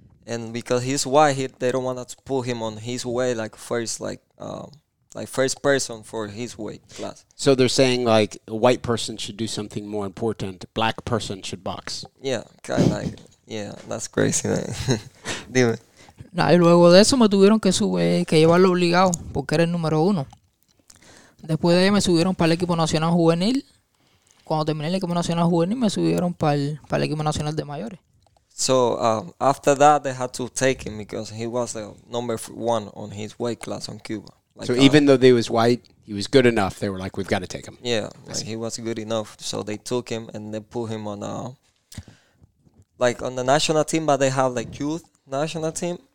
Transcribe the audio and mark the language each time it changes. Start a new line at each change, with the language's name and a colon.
English: And because he's white, they don't want to put him on his way, like first person for his weight class. So they're saying like a white person should do something more important. Black person should box. Yeah, kind of like, yeah, that's crazy, man.
Spanish: Dime. Nah, y luego de eso me tuvieron que llevarlo obligado porque era el número uno. Después de ahí me subieron para el equipo nacional juvenil. Cuando terminé el equipo nacional juvenil, me subieron para el equipo nacional de mayores.
English: So, after that, they had to take him because he was the number one on his weight class on Cuba. Like, so, even though he was white, he was good enough. They were like, we've got to take him. Yeah, like he was good enough. So, they took him and they put him on on the national team, but they have like youth national team.